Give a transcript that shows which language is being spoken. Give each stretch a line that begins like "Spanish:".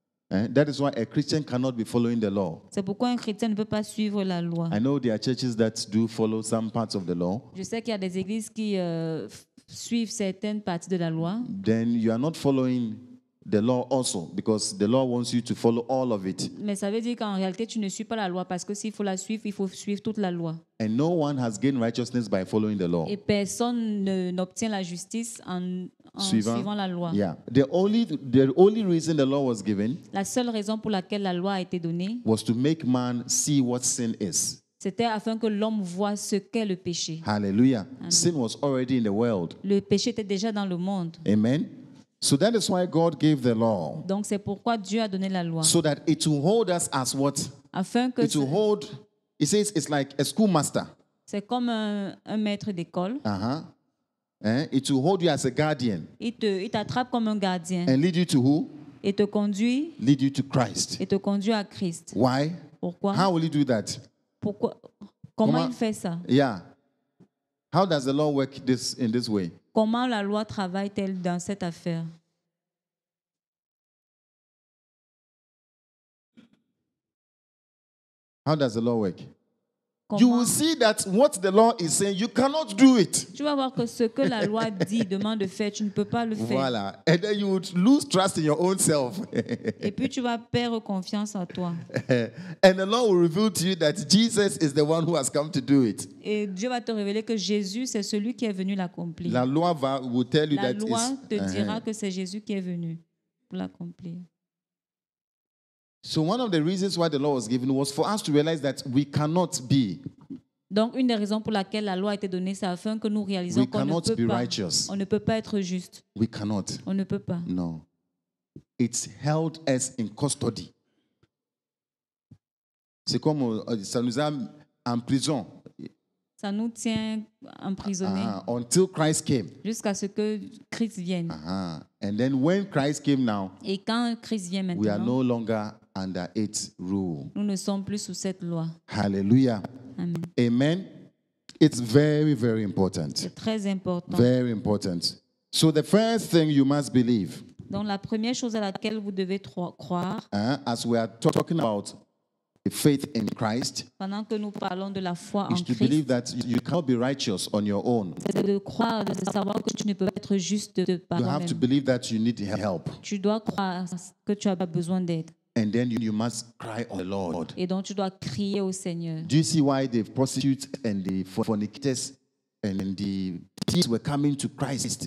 English: That is why a Christian cannot be following the law.
French: C'est pourquoi un chrétien ne peut pas suivre la loi.
English: I know there are churches that do follow some parts of the law.
French: Je sais qu'il y a des églises qui suivent certaines parties de la loi.
English: Then you are not following the law also, because the law wants you to follow all of it.
French: Mais ça veut dire qu'en réalité tu ne suis pas la loi, parce que s'il faut la suivre, il faut suivre toute la loi.
English: And no one has gained righteousness by following the law.
French: Et personne n'obtient la justice en suivant la loi.
English: Yeah. The only reason the law was given,
French: la seule raison pour laquelle la loi a été donnée,
English: was to make man see what sin is.
French: C'était afin que l'homme voit ce qu'est le péché.
English: Hallelujah. Amen. Sin was already in the world.
French: Le péché était déjà dans le monde.
English: Amen. So that is why God gave the law.
French: Donc c'est pourquoi Dieu a donné la loi.
English: So that it will hold us as what?
French: Afin que
English: it will hold. It says it's like a schoolmaster.
French: C'est comme un maître d'école.
English: Uh-huh. It will hold you as a guardian.
French: Il t'attrape comme un gardien.
English: And lead you to who?
French: Et te conduit.
English: Lead you to Christ.
French: Et te conduit à Christ.
English: Why?
French: Pourquoi?
English: How will he do that?
French: Pourquoi? Comment il fait ça?
English: Yeah. How does the law work in this way?
French: Comment la loi travaille-t-elle dans cette affaire?
English: How does the law work?
French: Comment?
English: You will see that what the law is saying, you cannot do it.
French: Tu vas voir que ce que la loi dit, demande de faire, tu ne peux pas le faire. Voilà.
English: And then you would lose trust in your own self.
French: Et puis tu vas perdre confiance en toi.
English: And the law will reveal to you that Jesus is the one who has come to do it.
French: Et Dieu va te révéler que Jésus, c'est celui qui est venu l'accomplir. La loi va vous
English: tell you
French: la
English: that
French: loi te dira que c'est Jésus qui est venu pour l'accomplir.
English: So one of the reasons why the law was given was for us to realize that we cannot be.
French: Donc une des raisons pour laquelle la loi a été donnée, c'est afin que nous réalisions qu'on ne peut pas.
English: Righteous.
French: On ne peut pas être juste.
English: We cannot.
French: On ne peut pas.
English: No. It's held us in custody.
French: C'est comme ça nous a en prison. Ça nous tient emprisonnés.
English: Until Christ came.
French: Jusqu'à ce que Christ vienne.
English: Uh-huh. And then when Christ came now,
French: et quand Christ vient maintenant,
English: we are no longer under its rule.
French: Nous ne sommes plus sous cette loi.
English: Hallelujah. Amen. Amen. It's very, very important.
French: C'est très important.
English: Very important. So the first thing you must believe,
French: donc la première chose à laquelle vous devez croire,
English: as we are talking about faith in Christ,
French: pendant que nous parlons de la foi en Christ,
English: is to believe that you cannot be righteous on your own.
French: C'est de croire, de savoir que tu ne peux être juste de par toi-même.
English: You have to believe that you need help.
French: Tu dois croire que tu as besoin d'aide.
English: And then you must cry on the Lord.
French: Et donc tu dois crier au Seigneur.
English: Do you see why the prostitutes and the fornicators and the thieves were coming to Christ?